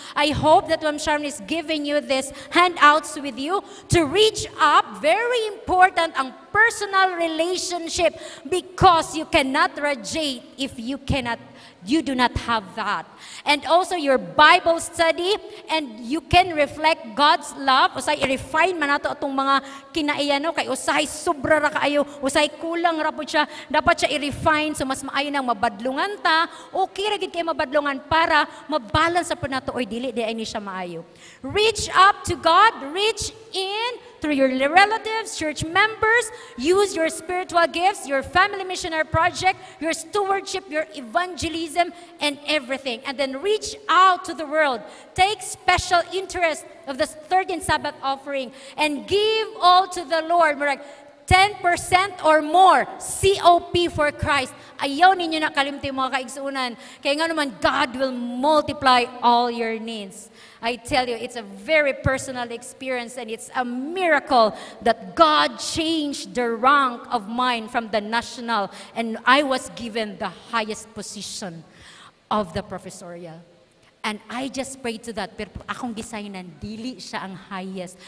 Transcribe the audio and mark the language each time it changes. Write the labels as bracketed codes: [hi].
[en] I hope that Ma'am Sharon is giving you this handouts with you to reach up. Very important ang personal relationship because you cannot radiate if you cannot, you do not have that. And also your Bible study and you can reflect God's love. [ceb] Usay i-refine man ato itong mga kinaiya, no? Kay usay sobra ra kaayo, usay kulang ra pud siya. Dapat siya i-refine so mas maayo nang mabadlungan ta. Okay ra gid kay mabadlungan para mabalance sa panato oy dili di ay ni siya maayo. [en] Reach up to God, reach in through your relatives, church members, use your spiritual gifts, your family missionary project, your stewardship, your evangelism, and everything. And then reach out to the world. Take special interest of the 13th Sabbath offering and give all to the Lord. 10% or more, COP for Christ. [ceb] Ayaw ninyo nakalimti mga kaigsunan. Kaya nga naman, [en] God will multiply all your needs. I tell you, it's a very personal experience and it's a miracle that God changed the rank of mine from the national and I was given the highest position of the professorial. And I just prayed to that. [ceb] Pero akong gisayinan, dili siya ang highest.